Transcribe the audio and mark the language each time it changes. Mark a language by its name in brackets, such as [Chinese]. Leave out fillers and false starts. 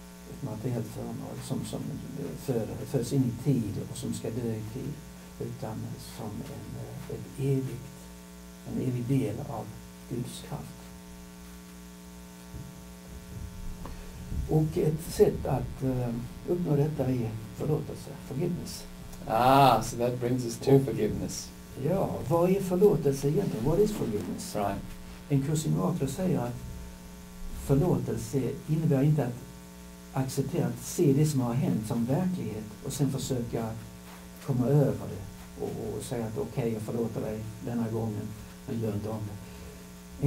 [Swedish] Ett materiellt föremål som föds in i tid och som ska dö i tid. Utan som en evig del av Guds kraft. Och ett sätt att uppnå detta är förlåtelse, forgiveness. [English] Ah, so that brings us to forgiveness. [Swedish] Ja, vad är förlåtelse egentligen? [English] What is forgiveness? Right. [Swedish] En kurs i mirakler säger att förlåtelse innebär inte att acceptera att se det som har hänt som verklighet och sen försöka komma över det. Och säga att okej, jag förlåter dig denna gången, men gör inte om det.